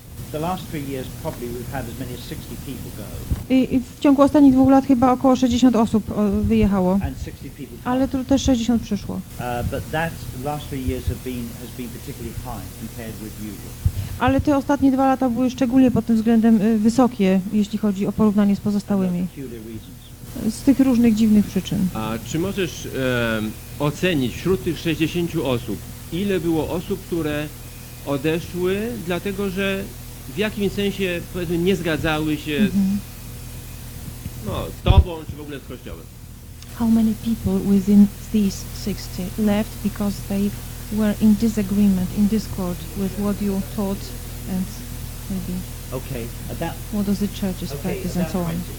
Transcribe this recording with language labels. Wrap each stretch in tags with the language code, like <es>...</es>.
<en>The last 3 years probably we've had as many as 60 people go.</en> <pl>I w ciągu ostatnich 2 lat chyba około 60 osób wyjechało.</pl> <en>And 60 people</en> <pl>came. Ale tu też 60 przyszło.</pl> <en>But that last 3 years has been particularly high compared with usual.</en> <pl>Ale te ostatnie 2 lata były szczególnie pod tym względem wysokie, jeśli chodzi o porównanie z pozostałymi. Z tych różnych dziwnych przyczyn. A czy możesz ocenić wśród tych 60 osób, ile było osób, które odeszły, dlatego że w jakimś sensie, powiedzmy, nie zgadzały się z tobą, czy w ogóle z Kościołem?</pl> <en>How many people within these 60 left because they were in disagreement, in discord with what you taught and maybe okay, about, what does the churches okay, practice and so on.</en>